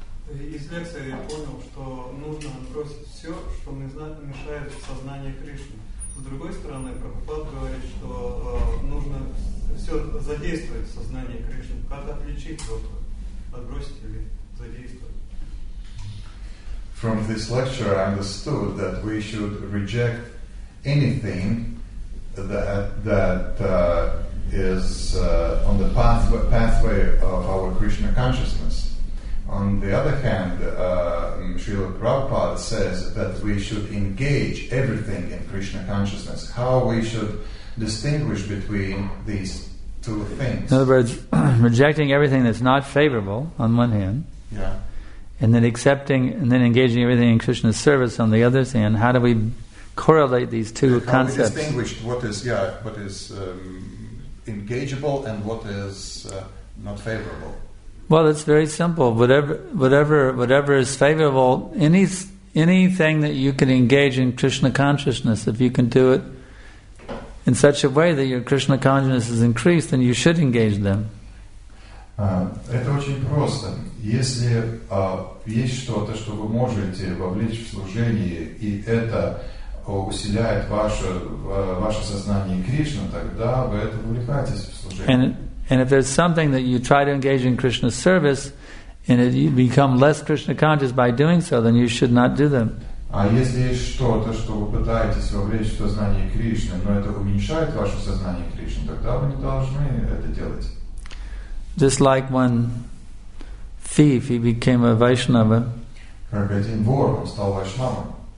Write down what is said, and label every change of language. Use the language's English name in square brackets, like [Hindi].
[Russian] Из лекции я понял, что нужно отбросить все, что мешает сознанию Кришны. С другой стороны, Прабхупада говорит, что нужно все задействовать в сознании Кришны. Как отличить вот отбросить или задействовать? [English] From this lecture, I understood that we should reject anything that is on the pathway of our Krishna consciousness. On the other hand, Srila Prabhupada says that we should engage everything in Krishna consciousness. How we should distinguish between these two things? In other words, rejecting everything that's not favorable on one hand, and then accepting and then engaging everything in Krishna's service on the other hand. How do we correlate these two concepts? How we distinguish what is engageable and what is not favorable? Well, it's very simple. Whatever is favorable, anything that you can engage in Krishna consciousness, if you can do it in such a way that your Krishna consciousness is increased, then you should engage them. [Russian] Это очень просто. Если есть что-то, что вы можете вовлечь в служение, и это усиляет ваше сознание Кришна, тогда вы это увлекаетесь в служение. [English] And if there's something that you try to engage in Krishna's service and you become less Krishna conscious by doing so, then you should not do them. [Russian] А если есть что-то, что вы пытаетесь вовлечь в сознание Кришны, но это уменьшает ваше сознание Кришны, тогда вы не должны это делать. [English] Just like one thief, he became a Vaishnava. [Russian] Как один вор, он стал Вайшнавом.